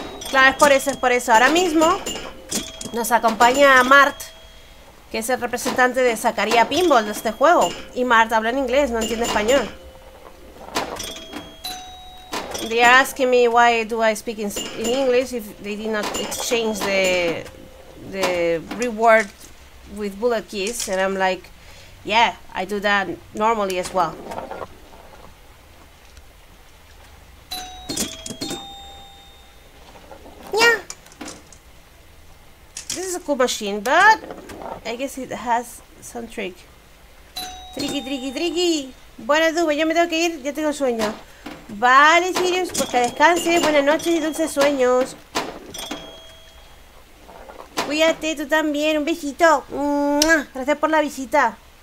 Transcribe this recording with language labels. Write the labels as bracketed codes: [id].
[es] Claro, es por eso. Ahora mismo nos acompaña Mart, que es el representante de Zakaria Pinball de este juego. Y Mart habla en inglés, no entiende español. [en] They are asking me why do I speak in English if they did not exchange the reward with bullet keys, and I'm like, yeah, I do that normally as well. Yeah. This is a cool machine, but I guess it has some trick. Tricky, tricky, tricky. [es] Buenas, Dube, yo me tengo que ir, ya tengo sueño. Vale, Sirius, pues que descanse, buenas noches y dulces sueños. Cuídate tú también, un besito. Gracias por la visita.